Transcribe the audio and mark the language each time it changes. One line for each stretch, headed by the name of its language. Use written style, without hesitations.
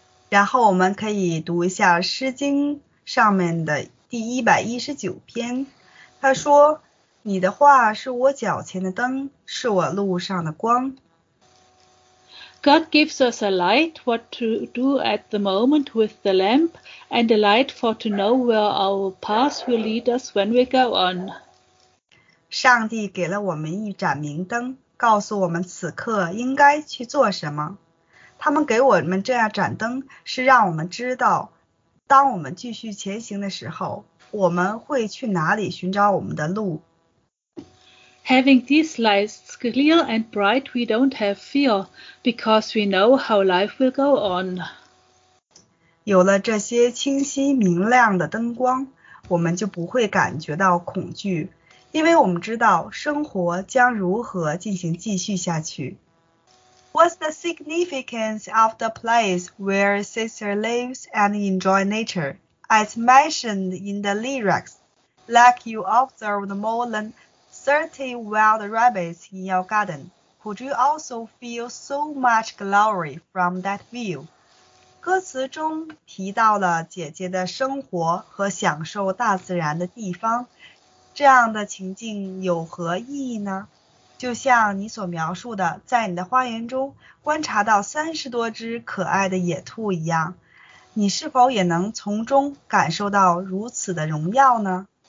Chinese: 然后我们可以读一下诗经上面的第119篇，他说你的话是我脚前的灯，是我路上的光。
English: God gives us a light what to do at the moment with the lamp and a light for to know where our path will lead us when we go on.
Chinese: 上帝给了我们一盏明灯，告诉我们此刻应该去做什么。他们给我们这样盏灯，是让我们知道，当我们继续前行的时候，我们会去哪里寻找我们的路。
English: Having these lights clear and bright, we don't have fear, because we know how life will go on.
Chinese: 有了这些清晰明亮的灯光，我们就不会感觉到恐惧，因为我们知道生活将如何进行继续下去。
English: What's the significance of the place where Sister lives and enjoys nature? As mentioned in the lyrics, like you observed more than 30 wild rabbits in your garden, could you also feel so much glory from that view?
Chinese: 歌词中提到了姐姐的生活和享受大自然的地方，这样的情境有何意义呢？就像你所描述的，在你的花园中观察到30多只可爱的野兔一样，你是否也能从中感受到如此的荣耀呢？